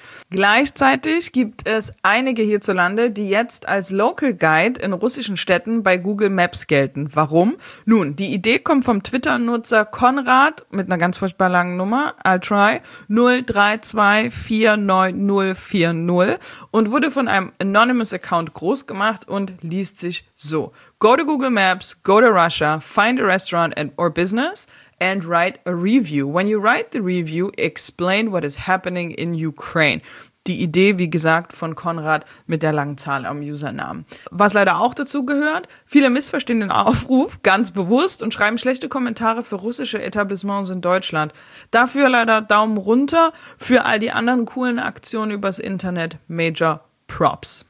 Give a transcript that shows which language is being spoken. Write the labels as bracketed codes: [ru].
[de] Gleichzeitig gibt es einige hierzulande, die jetzt als Local Guide in russischen Städten bei Google Maps gelten. Warum? Nun, die Idee kommt vom Twitter-Nutzer Konrad mit einer ganz furchtbar langen Nummer, [en] I'll try, [de] 032490040 und wurde von einem Anonymous Account groß gemacht und liest sich so. [en] Go to Google Maps, go to Russia, find a restaurant and or business and write a review. When you write the review, explain what is happening in Ukraine. [de] Die Idee, wie gesagt, von Konrad mit der langen Zahl am Usernamen. Was leider auch dazu gehört, viele missverstehen den Aufruf ganz bewusst und schreiben schlechte Kommentare für russische Etablissements in Deutschland. Dafür leider Daumen runter, für all die anderen coolen Aktionen übers Internet Major Props.